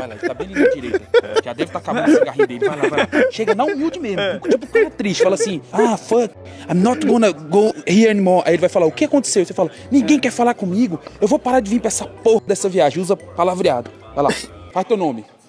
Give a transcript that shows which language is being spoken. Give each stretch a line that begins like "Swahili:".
Portuguese: Ele tá bem ali na direita. Já deve estar acabando o cigarrinho dele. Vai lá. Chega na humilde mesmo. Tipo, o cara é triste. Fala assim,
English: ah, fuck, I'm not gonna go here anymore.
Portuguese: Aí ele vai falar, o que aconteceu? Você fala, ninguém quer falar comigo. Eu vou parar de vir pra essa porra dessa viagem. Usa palavreado. Vai lá, faz teu nome.